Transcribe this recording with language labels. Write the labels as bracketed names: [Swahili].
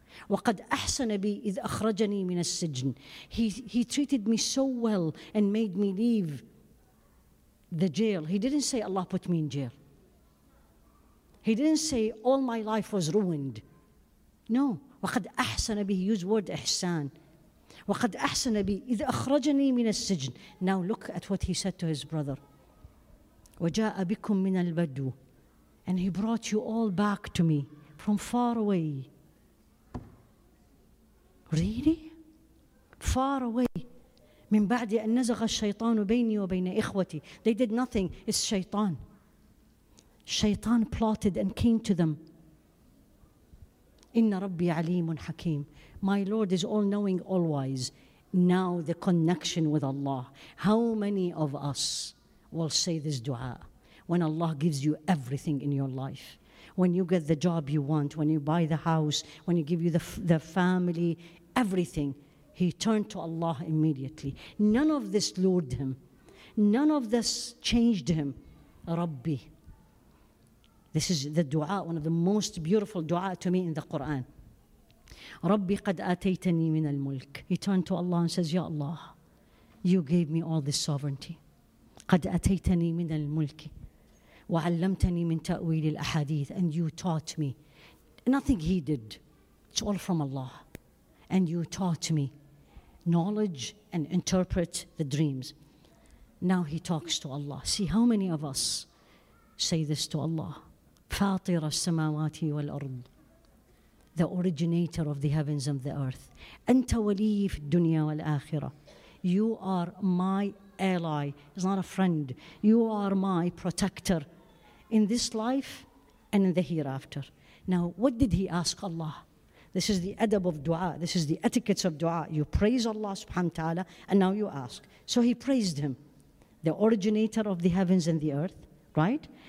[Arabic] وَقَدْ أَحْسَنَ بِي إِذْ أَخْرَجَنِي مِنَ السِّجْنِ. [English] He treated me so well and made me leave the jail. He didn't say Allah put me in jail. He didn't say all my life was ruined. No. [Arabic] وَقَدْ أَحْسَنَ بِي. [English] He used word [Arabic] إحسان. وَقَدْ أَحْسَنَ بِي إِذْ أَخْرَجَنِي مِنَ السِّجْنِ. [English] Now look at what he said to his brother. [Arabic] وَجَاءَ بِكُم مِنَ الْبَدُوِ. [English] And he brought you all back to me from far away. Really? Far away. [Arabic] من بعد أن نزغ الشيطان بيني وبين إخوتي. [English] They did nothing. It's shaitan. Shaitan plotted and came to them. [Arabic] إن ربي عليم حكيم. [English] My Lord is all knowing, all wise. Now the connection with Allah. How many of us will say this dua when Allah gives you everything in your life? When you get the job you want, when you buy the house, when you give you the family, everything, he turned to Allah immediately. None of this lured him. None of this changed him. Rabbi. This is the dua, one of the most beautiful dua to me in the Quran. [Arabic] Rabbi قد آتيتني من الملك. [English] He turned to Allah and says, Ya Allah, you gave me all this sovereignty. [Arabic] قد آتيتني من الملك. وعلمتني من تأويل الأحاديث. [English] And you taught me. Nothing he did. It's all from Allah. And you taught me knowledge and interpret the dreams. Now he talks to Allah. See how many of us say this to Allah. [Arabic] فاطر السماوات والأرض. [English] The originator of the heavens and the earth. [Arabic] أنت ولي في الدنيا والآخرة. [English] You are my ally. He's not a friend. You are my protector in this life and in the hereafter. Now what did he ask Allah? This is the adab of dua. This is the etiquette of dua. You praise Allah subhanahu wa ta'ala, and now you ask. So he praised him, the originator of the heavens and the earth, right?